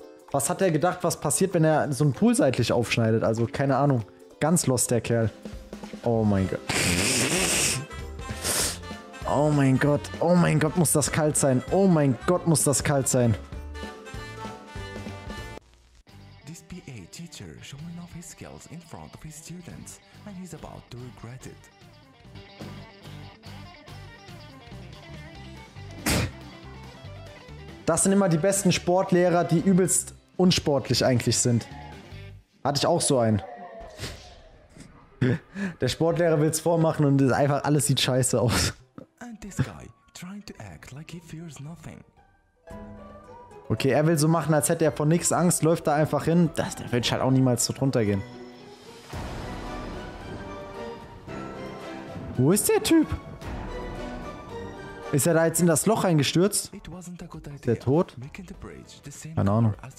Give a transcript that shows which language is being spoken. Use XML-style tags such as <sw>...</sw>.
<de>Was hat er gedacht, was passiert, wenn er so einen Pool seitlich aufschneidet? Also, keine Ahnung. Ganz lost, der Kerl. Oh mein Gott. Oh mein Gott. Oh mein Gott, muss das kalt sein. Oh mein Gott, muss das kalt sein.</de> <en>This PA teacher showing off his skills in front of his students and he's about to regret it.</en> <de>Das sind immer die besten Sportlehrer, die übelst unsportlich eigentlich sind. Hatte ich auch so einen. Der Sportlehrer will es vormachen und ist einfach, alles sieht scheiße aus.</de> <en>And this guy trying to act like he fears nothing.</en> <de>Okay, er will so machen, als hätte er vor nichts Angst, läuft da einfach hin. Das, der wird halt auch niemals so drunter gehen. Wo ist der Typ? Ist er da jetzt in das Loch reingestürzt? Ist der tot? Keine Ahnung.</de>